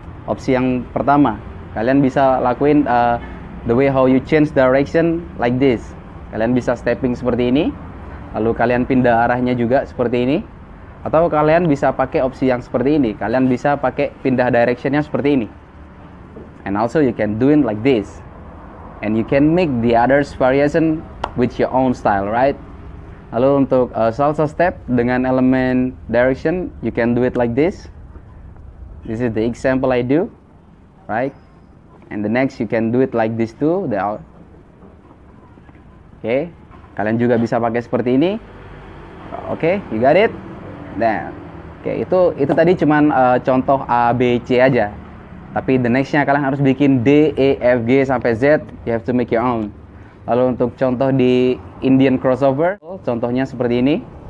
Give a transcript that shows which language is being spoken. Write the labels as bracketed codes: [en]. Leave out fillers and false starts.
[id] Opsi yang pertama, kalian bisa lakuin [en] the way how you change direction like this. [id] Kalian bisa stepping seperti ini, lalu kalian pindah arahnya juga seperti ini. Atau kalian bisa pakai opsi yang seperti ini, kalian bisa pakai pindah directionnya seperti ini. [en] And also you can do it like this. And you can make the others variation with your own style, right? [id] Lalu untuk [en] salsa step [id] dengan elemen [en] direction, you can do it like this. This is the example I do, right? And the next, you can do it like this too. [id] Okay, kalian juga bisa pakai seperti ini. Okay, [en] you got it? [id] Nah, okay, itu tadi cuman contoh A, B, C aja. [en] Tapi the nextnya [id] kalian harus bikin D, E, F, G sampai Z. [en] You have to make your own. [id] Lalu untuk contoh di Indian crossover, contohnya seperti ini.